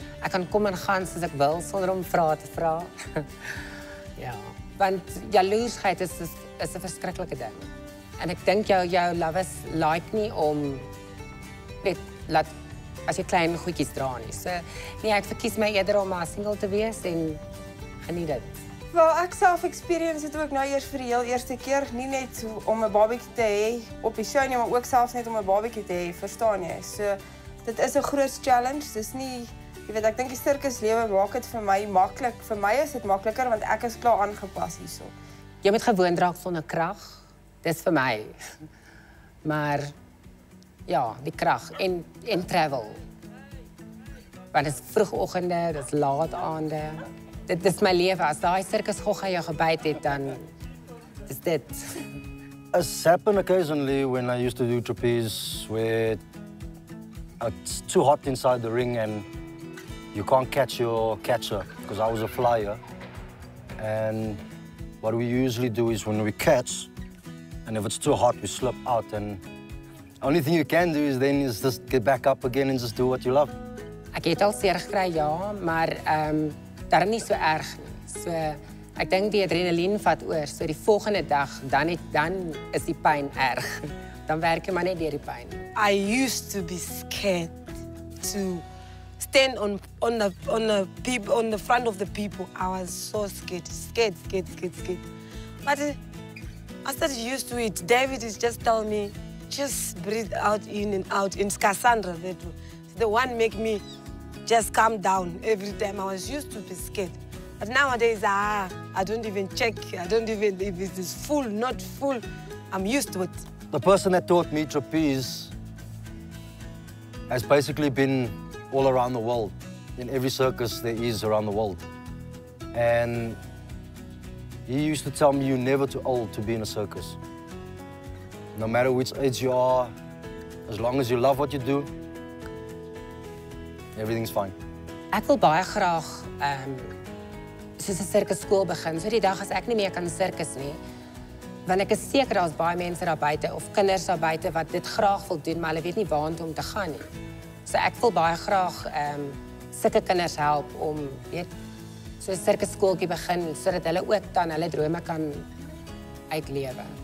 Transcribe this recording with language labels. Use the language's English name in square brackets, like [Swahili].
[Afrikaans] Ek kan kom en gaan soos ek wil sonder om vrae te vra. Ja, want jaloesheid is 'n verskriklike ding. En ek dink jou love is like nie om net laat as jy klein goedjies dra nie. So nee, ek verkies my eerder om maar single te wees en geniet dit. Wel, ek self experience het ook nou eers vir die heel eerste keer, nie net om 'n babietjie te hê op die show nie, maar ook selfs net om 'n babietjie te hê, verstaan jy? So dit is 'n groot challenge. Dis nie Jy weet, ek dink die sirkuslewe maak dit vir my maklik. Vir my is dit makliker want ek is klaar aangepas hierso. Jy moet gewoon raak sonder krag. Dis vir my. Maar ja, die krag en travel. Want dit is vroegoggende, dit is laat aande. Dit is my lewe. As daai sirkusgogga jou gebyt het, dan is dit. [English] It's happened occasionally when I used to do trapeze where it's too hot inside the ring and you can't catch your catcher because I was a flyer. And what we usually do is when we catch and if it's too hot, we slip out. And the only thing you can do is then is just get back up again and just do what you love. [Afrikaans] Ek het al seer gekry, ja, maar daar nie so erg nie. So, ek dink die adrenaline vat oor, so die volgende dag, dan is die pyn erg. Dan werk jy maar net deur die pyn. [English] I used to be scared to stand on the front of the people. I was so scared, scared. But I started used to it. David is just telling me, just breathe out in and out. In Cassandra, the one make me just calm down every time. I was used to be scared. But nowadays, I don't even check. I don't even if it's full, not full. I'm used to it. The person that taught me trapeze has basically been all around the world, in every circus there is around the world. And he used to tell me you're never too old to be in a circus. No matter which age you are, as long as you love what you do, everything's fine. [Afrikaans] Ek wil baie graag soos 'n circus school begin. So die dag as ek nie meer kan circus nie, want ek is seker daar's baie mense daar buite of kinders daar buite wat dit graag wil doen, maar hulle weet nie waarheen om te gaan nie. So ek wil baie graag sulke kinders help om weet so 'n circus skooltjie begin sodat hulle ook dan hulle drome kan uitlewe.